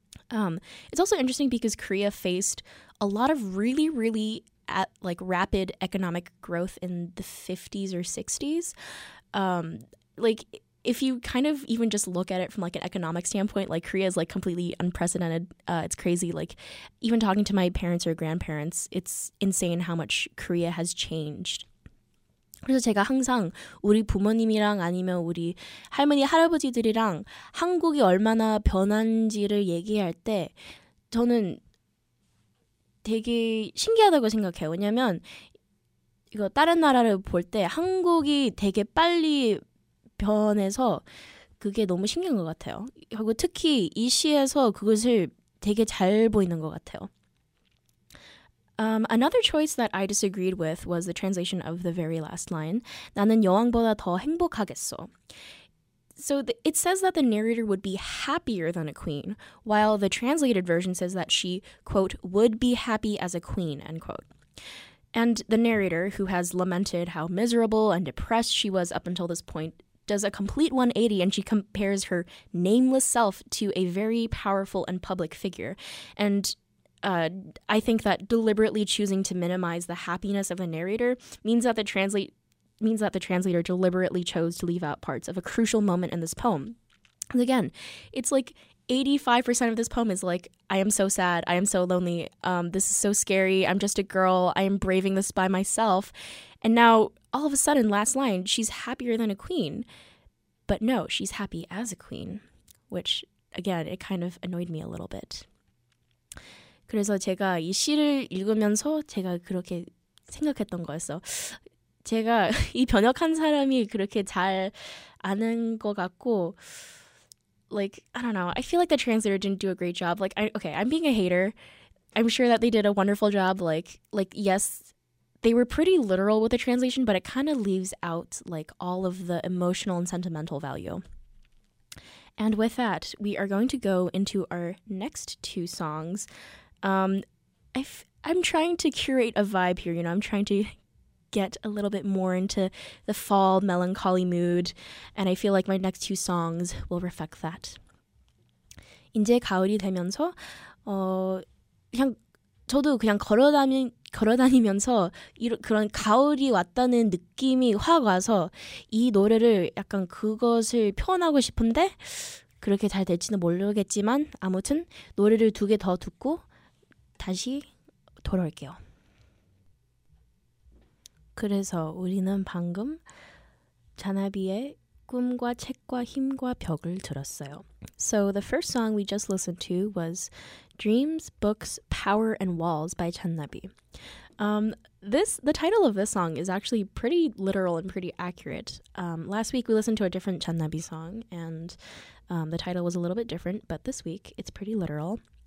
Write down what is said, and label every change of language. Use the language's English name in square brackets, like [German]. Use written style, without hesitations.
[English] It's also interesting because Korea faced a lot of really, really rapid economic growth in the 50s or 60s. if you kind of even just look at it from like an economic standpoint, like Korea is like completely unprecedented. It's crazy. Like even talking to my parents or grandparents, it's insane how much Korea has changed. [Korean] 그래서 제가 항상 우리 부모님이랑 아니면 우리 할머니 할아버지들이랑 한국이 얼마나 변한지를 얘기할 때 저는 되게 신기하다고 생각해요. 왜냐면 이거 다른 나라를 볼 때 한국이 되게 빨리 변해서 그게 너무 신기한 것 같아요. 그리고 특히 이 시에서 그것을 되게 잘 보이는 것 같아요. [English] Another choice that I disagreed with was the translation of the very last line. [Korean] 나는 여왕보다 더 행복하겠어. [English] So it says that the narrator would be happier than a queen, while the translated version says that she, quote, would be happy as a queen, end quote. And the narrator, who has lamented how miserable and depressed she was up until this point, does a complete 180 and she compares her nameless self to a very powerful and public figure. And I think that deliberately choosing to minimize the happiness of a narrator means that the translator deliberately chose to leave out parts of a crucial moment in this poem. And again, it's like 85% of this poem is like, I am so sad, I am so lonely, this is so scary, I'm just a girl, I am braving this by myself. And now, all of a sudden, last line, she's happier than a queen. But no, she's happy as a queen. Which, again, it kind of annoyed me a little bit. [Korean] 그래서 제가 이 시를 읽으면서 제가 그렇게 생각했던 거였어. 제가 이 변혁한 사람이 그렇게 잘 아는 것 같고, [English] like, I don't know. I feel like the translator didn't do a great job. Like, I'm being a hater. I'm sure that they did a wonderful job. Like, yes, they were pretty literal with the translation, but it kind of leaves out, like, all of the emotional and sentimental value. And with that, we are going to go into our next two songs. I'm trying to curate a vibe here, you know. I'm trying to get a little bit more into the fall melancholy mood, and I feel like my next two songs will reflect that. [Korean] 이제 가을이 되면서 그냥 저도 그냥 걸어다니면서 그런 가을이 왔다는 느낌이 확 와서 이 노래를 약간 그것을 표현하고 싶은데 그렇게 잘 될지는 모르겠지만 아무튼 노래를 두 개 더 듣고 다시 돌아올게요. 그래서 우리는 방금 잔나비의 꿈과 책과 힘과 벽을 들었어요. [English] So the first song we just listened to was Dreams, Books, Power, and Walls by 잔나비. The title of this song is actually pretty literal and pretty accurate. Last week we listened to a different 잔나비 song and the title was a little bit different, but this week it's pretty literal.